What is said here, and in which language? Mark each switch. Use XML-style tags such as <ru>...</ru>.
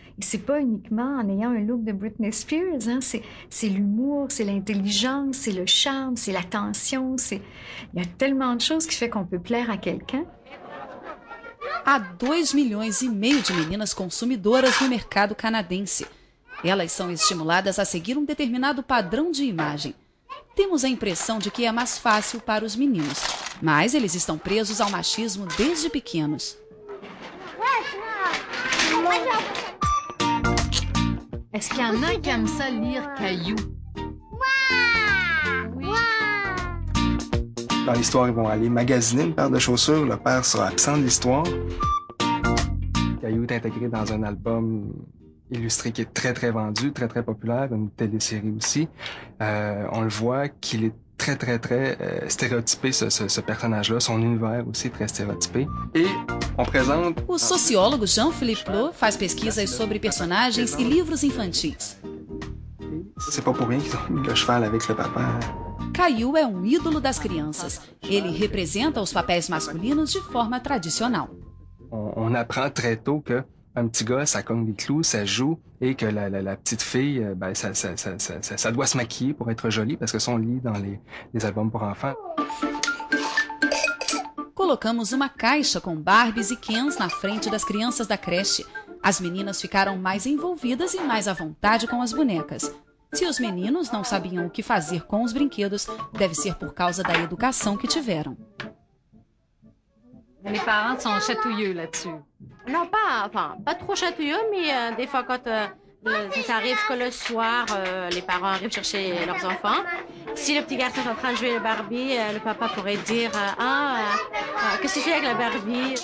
<fr>Et c'est pas uniquement en ayant un look de Britney Spears, hein? C'est l'humour, c'est l'intelligence, c'est le charme, c'est l'attention. Il y a tellement de choses qui font qu'on peut plaire à quelqu'un.</fr> <pt>Há 2,5 milhões de meninas consumidoras no mercado canadense. Elas são estimuladas a seguir determinado padrão de imagem. Temos a impressão de que é mais fácil para os meninos, mas eles estão presos ao machismo desde pequenos.</pt> <fr>Est-ce qu'il y en a qui aiment ça lire caillou? Dans l'histoire, ils vont aller magasiner une paire de chaussures. Le père sera absent de l'histoire. Caillou est intégré dans un album illustré qui est très, très vendu, très, très populaire, une télésérie aussi. On le voit qu'il est très, très, très stéréotypé, ce personnage-là. Son univers aussi est très stéréotypé. Et on présente...</fr> <pt>O sociólogo Jean-Philippe Plot faz pesquisas sobre personagens e livros infantis.</pt> <fr>C'est pas pour rien qu'ils ont mis le cheval avec le papa.</fr> <pt>Caillou é ídolo das crianças. Ele representa os papéis masculinos de forma tradicional.</pt> <fr>On apprend très tôt que un petit gars, ça cogne des clous, ça joue, et que la petite fille, ben, ça doit se maquiller pour être jolie, parce que ça, on lit dans les albums pour enfants.</fr> <pt>Colocamos uma caixa com Barbies e Kens na frente das crianças da creche. As meninas ficaram mais envolvidas e mais à vontade com as bonecas. Se os meninos não sabiam o que fazer com os brinquedos, deve ser por causa da educação que tiveram.</pt> <fr>Mes parents sont chatouilleux là-dessus. Non, pas trop chatouilleux, mais des fois, quand ça arrive que le soir, les parents arrivent chercher leurs enfants, si le petit garçon est en train de jouer le Barbie, le papa pourrait dire « Ah, qu'est-ce que tu fais avec la Barbie? »</fr>